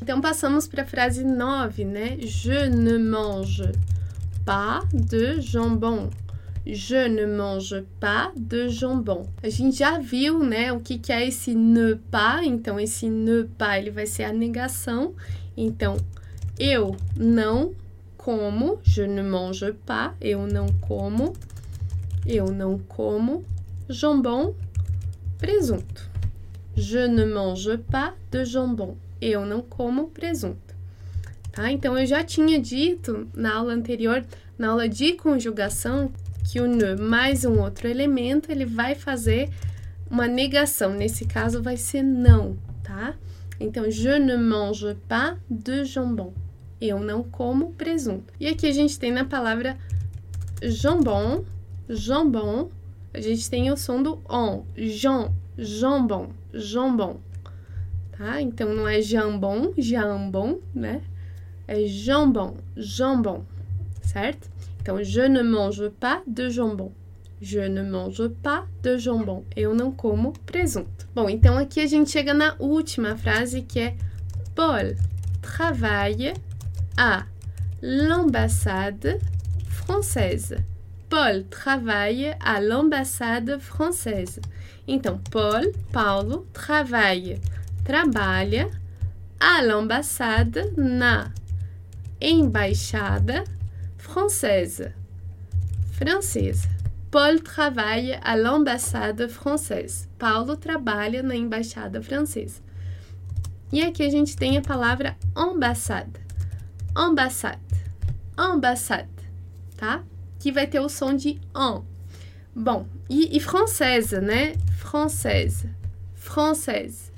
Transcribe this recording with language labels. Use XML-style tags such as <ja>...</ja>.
<pt>Então, passamos para a frase 9, né?</pt> <fr>Je ne mange pas de jambon. Je ne mange pas de jambon.</fr> <pt>A gente já viu, né, o que que é esse ne pas. Então, esse ne pas, ele vai ser a negação. Então, eu não como,</pt> <fr>je ne mange pas,</fr> <pt>eu não como jambon. Presunto.</pt> <fr>Je ne mange pas de jambon.</fr> <pt>Eu não como presunto. Tá? Então eu já tinha dito na aula anterior, na aula de conjugação, que o ne mais um outro elemento, ele vai fazer uma negação. Nesse caso vai ser não, tá?</pt> <fr>Então je ne mange pas de jambon.</fr> <pt>Eu não como presunto. E aqui a gente tem na palavra jambon, jambon. A gente tem o som do on, jam, jambon, jambon, tá? Então não é jambon, jambon, né?</pt> <fr>É jambon, jambon,</fr> <pt>certo? Então,</pt> <fr>je ne mange pas de jambon. Je ne mange pas de jambon.</fr> <pt>Eu não como presunto. Bom, então aqui a gente chega na última frase que é</pt> <fr>Paul travaille à l'ambassade française. Paul travaille à l'ambassade française.</fr> <pt>Então, Paulo trabalha</pt> <fr>à l'ambassade,</fr> <pt>na embaixada francesa. Francesa.</pt> <fr>Paul travaille à l'ambassade française.</fr> <pt>Paulo trabalha na embaixada francesa. E aqui a gente tem a palavra ambassade.</pt> <fr>Ambassade. Ambassade. Tá?</fr> <pt>Que vai ter o som de on. Bom, e francesa, né?</pt> <fr>Française. Française.</fr>